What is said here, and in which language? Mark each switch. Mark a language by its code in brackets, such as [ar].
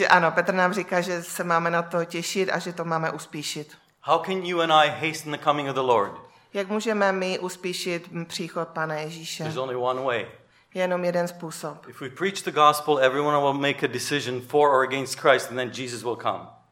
[cs] Petr nám říká, že se máme na to těšit a že to máme uspíšit. [en] How can you and I hasten the coming of the Lord? [cs] Jak můžeme my uspíšit příchod Pana Ježíše? [en] There's only one way. [cs] Jenom jeden způsob. [en] If we preach the gospel, everyone will make a decision for or against Christ and then Jesus will come.